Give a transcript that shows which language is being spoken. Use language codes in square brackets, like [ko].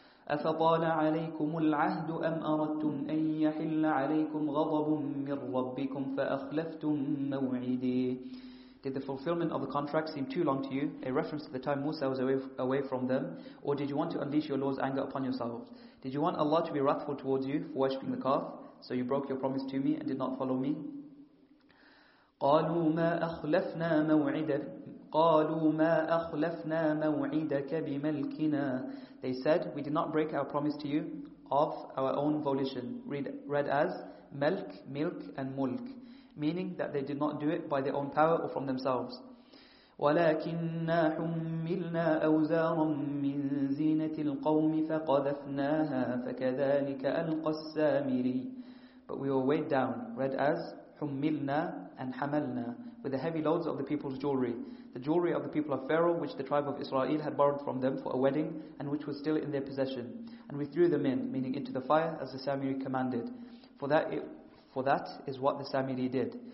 [ar] أَفَطَالَ عَلَيْكُمُ الْعَهْدُ أَمْ أَرَدْتُمْ أَن يَحِلَّ عَلَيْكُمْ غَضَبٌ مِّن رَبِّكُمْ فَأَخْلَفْتُمْ مَوْعِدِي. [en] Did the fulfillment of the contract seem too long to you? A reference to the time Musa was away from them. Or did you want to unleash your Lord's anger upon yourselves? Did you want Allah to be wrathful towards you for worshipping the calf? So you broke your promise to me and did not follow me? [ar] قالوا ما أخلفنا موعدك بملكنا. [en] They said, we did not break our promise to you of our own volition. Read as ملك, milk, and mulk, meaning that they did not do it by their own power or from themselves. [ar] ولكننا حملنا أوزارا من زينة القوم فقذفناها فكذلك ألقى السامري. [en] But we were weighed down. Read as حملنا and حملنا, with the heavy loads of the people's jewelry. The jewelry of the people of Pharaoh, which the tribe of Israel had borrowed from them for a wedding, and which was still in their possession. And we threw them in, meaning into the fire, as the Samiri commanded. For that is what the Samiri did.